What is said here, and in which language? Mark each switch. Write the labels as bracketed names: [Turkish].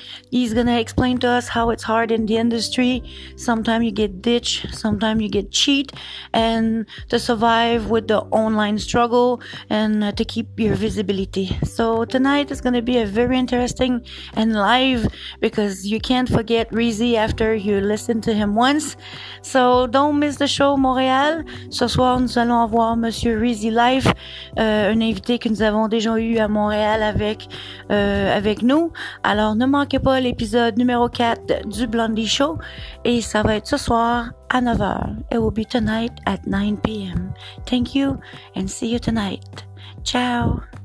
[English] He's gonna explain to us how it's hard in the industry. Sometimes you get ditched, sometimes you get cheat, and to survive with the online struggle and to keep your visibility. So tonight is gonna be a very interesting and live, because you can't forget Reezy after you listen to him once. So don't miss the show, Montréal. [French] Ce soir, nous allons avoir Monsieur Reezy Life, un invité que nous avons déjà eu à Montréal avec nous. Alors, ne manquez pas l'épisode numéro 4 du Blondie Show, et ça va être ce soir à 9h. [English] It will be tonight at 9 p.m. Thank you, and see you tonight. Ciao!